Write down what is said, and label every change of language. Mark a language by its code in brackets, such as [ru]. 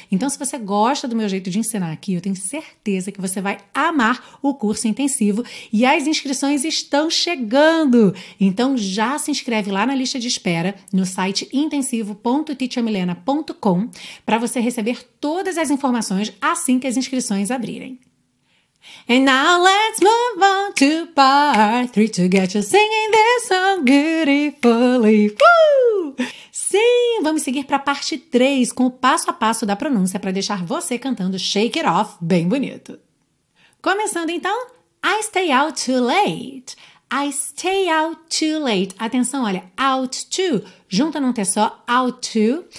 [pt] Então, se você gosta do meu jeito de ensinar aqui, eu tenho certeza que você vai amar o curso intensivo e as inscrições estão chegando. Então já se inscreve lá na lista de espera no site intensivo.teachermilena.com para você receber todas as informações assim que as inscrições abrirem. [en] And now let's move on to part 3 to get you singing this song beautifully. [pt] Sim, vamos seguir para a parte 3 com o passo a passo da pronúncia para deixar você cantando Shake It Off bem bonito. Começando então, [en] I stay out too late. I stay out too late. [pt] Atenção, olha, out to. Junta num T só, out to.